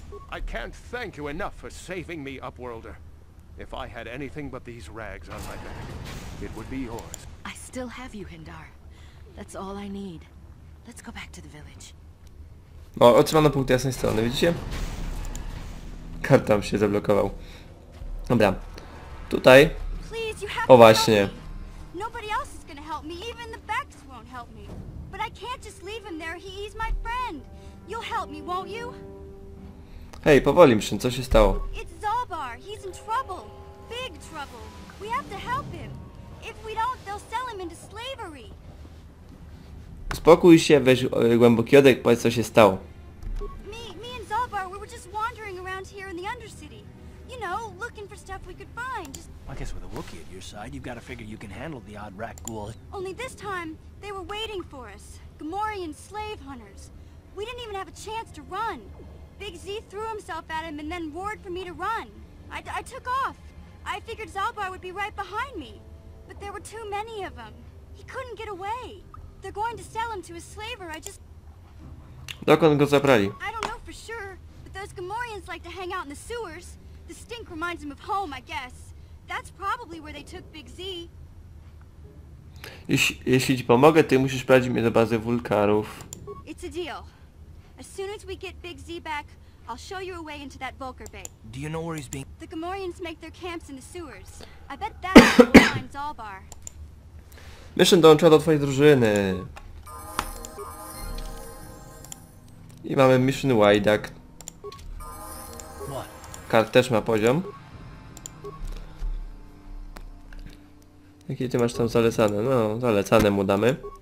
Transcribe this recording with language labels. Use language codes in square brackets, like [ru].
[en] I can't thank you enough for saving me, Upworlder. If I had anything but these rags on my back, it would be yours. I still have you, Hindar. That's all I need. Let's go back to the village. [pl] O, otrzymano punkt jasnej strony, widzicie? Karta się zablokował. Dobra. Tutaj. O właśnie. [en] Nobody else is gonna help me, even the Becks won't help me. But I can't just leave him there, he's my friend. You'll help me, won't you? [pl] Hej, powoli, Mszyn, co się stało? [en] It's Zalbar, he's in trouble. Big trouble. We have to help him. If we don't, they'll sell him into slavery. [pl] Spokój się, weź głęboki oddech, powiedz co się stało. [en] Me and Zalbar, we were just wandering around here in the Undercity. You know, looking for stuff we could find. Just... I guess with a Wookiee at your side, you've got to figure you can handle the odd Rakkul. Only this time, they were waiting for us. Gamorrean slave hunters. We didn't even have a chance to run. Big Z threw himself at him and then roared for me to run. I took off. I figured Zalbar would be right behind me. But there were too many of them. He couldn't get away. They're going to sell him to a slaver. I just. [pl] Dokąd go zabrali? [en] I don't know for sure, but those Gamorreans like to hang out in the sewers. The stink reminds them of home, I guess. That's probably where they took Big Z. [pl] Jeśli ci pomogę, ty musisz prowadzić mnie do bazy wulkarów. [en] It's a deal. As soon as we get Big Z back, I'll show you a way into that Volker bay. Do you know where he's being? The Gamorreans make their camps in the sewers. I bet that's where we'll find Zalbar. [pl] Mission dołączyła do twojej drużyny. I mamy mission Wydak. Kart też ma poziom. Jakie ty masz tam zalecane? No, zalecane mu damy.